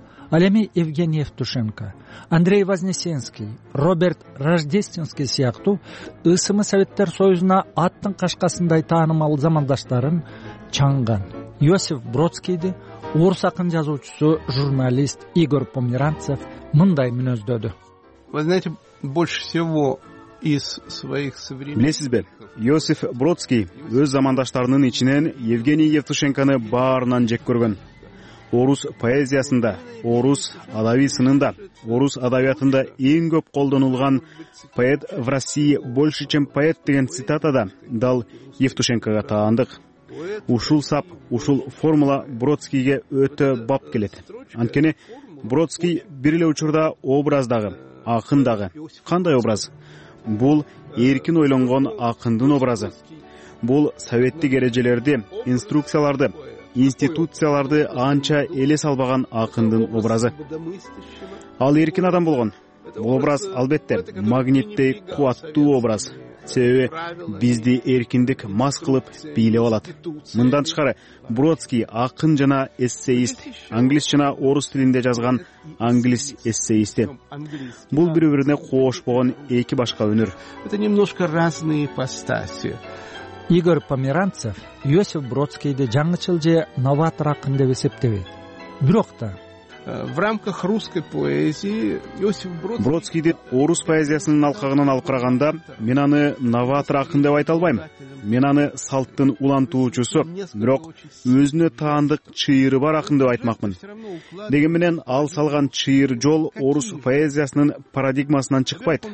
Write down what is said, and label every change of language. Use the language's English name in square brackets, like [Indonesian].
[Kyrgyz] Ал эми Евгений Евтушенко, Андрей Вознесенский, Роберт Рождественский сыяктуу ысымы Советтер Союзуна аттын кашкасындай таанымал замандаштарын чаңган. Иосиф Бродскийди орус акын жазуучусу журналист Игорь Померанцев мындай мүнөздөдү. [Russian] Вы знаете, больше всего из своих современников. [Kyrgyz] Билесиз бе? Иосиф Бродский өз замандаштарынын ичинен Евгений Евтушенконы баарынан жек көргөн. Орус поэзиясында, орус адабий сынында, орус адабиятында эң көп колдонулган поэт [Russian] в России больше, чем поэт [Kyrgyz] деген цитатада дал Евтушенкага таандык. Ушул сап, ушул формула Бродскийге өтө бап келет. Анткени Бродский бир эле учурда образ дагы, акын дагы. Кандай образ? Бул эркин ойлонгон акындын образы. Бул советтик эрежелерди, инструкцияларды, институцияларды анча эле салбаган акындын образы. Ал эркин адам болгон. Бул образ албетте магниттей кубаттуу образ. Себеби бизди эркиндик мас кылып бийлеп алат. Мындан тышкары Бродский акын жана эссеист, англис жана орус тилинде жазган англис эссеисти. Бул бири бирине коошпогон эки башка өнөр. [Russian] Это немножко разные ипостаси. [Kyrgyz] Игорь Померанцев Иосиф Бродскийди жаңычыл же новатор акын деп эсептебейт. Бирок да [Russian] в рамках русской поэзии Иосиф [Kyrgyz] Бродскийди орус поэзиясынын алкагынан алып караганда мен аны новатор акын деп айта албайм. Мен аны салттын улантуучусу, бирок өзүнө таандык чыйыры бар акын деп айтмакмын. Деген менен ал салган чыйыр жол орус поэзиясынын парадигмасынан чыкпайт.